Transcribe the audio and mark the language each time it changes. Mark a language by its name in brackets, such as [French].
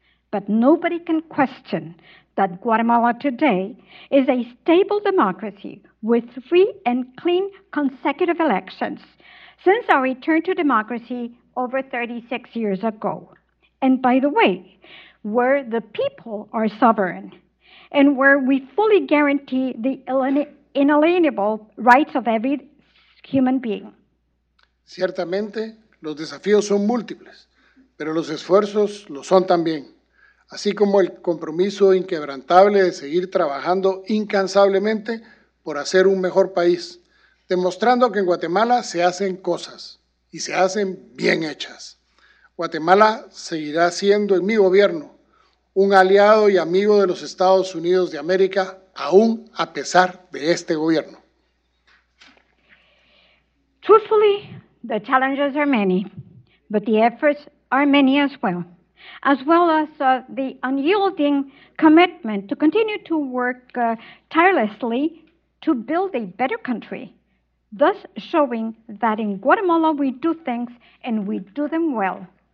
[English] But nobody can question that Guatemala today is a stable democracy with free and clean consecutive elections since our return to democracy over 36 years ago. And by the way, where the people are sovereign and where we fully guarantee the inalienable rights of every human being. [Spanish] Ciertamente, los desafíos son múltiples, pero los esfuerzos lo son también, así como el compromiso inquebrantable de seguir trabajando incansablemente por hacer un mejor país, demostrando que en Guatemala se hacen cosas y se hacen bien hechas. Guatemala seguirá siendo en mi gobierno un aliado y amigo de los Estados Unidos de América, aún a pesar de este gobierno. [English] Truthfully, the challenges are many, but the efforts are many as well, as well as the unyielding commitment to continue to work tirelessly to build a better country, thus showing that in Guatemala we do things and we do them well.